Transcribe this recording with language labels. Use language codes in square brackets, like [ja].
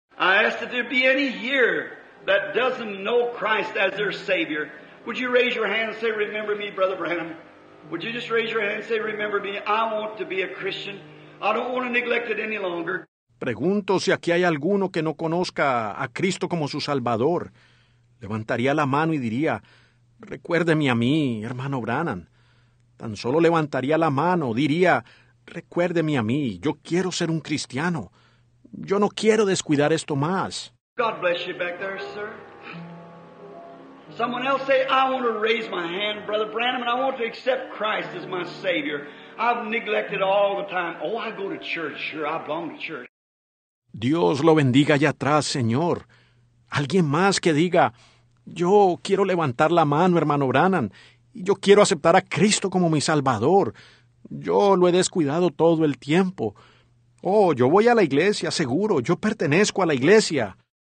[en] I ask that there be any here that doesn't know Christ as their Savior. Would you raise your hand and say, remember me, Brother Branham? Would you just raise your hand and say, remember me? I want to be a Christian. I don't want to neglect it any longer. [es] Pregunto si aquí hay alguno que no conozca a Cristo como su Salvador. Levantaría la mano y diría, recuérdeme a mí, hermano Branham. Tan solo levantaría la mano, diría, recuérdeme a mí, yo quiero ser un cristiano. Yo no quiero descuidar esto más. [en] God bless you back there, sir. Someone else say, I want to raise my hand, Brother Branham, and I want to accept Christ as my Savior. I've neglected all the time. Oh, I go to church, sure, I belong to church. [es] Dios lo bendiga allá atrás, Señor. Alguien más que diga, yo quiero levantar la mano, hermano Branham, y yo quiero aceptar a Cristo como mi Salvador. Yo lo he descuidado todo el tiempo. Oh, yo voy a la iglesia, seguro. Yo pertenezco a la iglesia.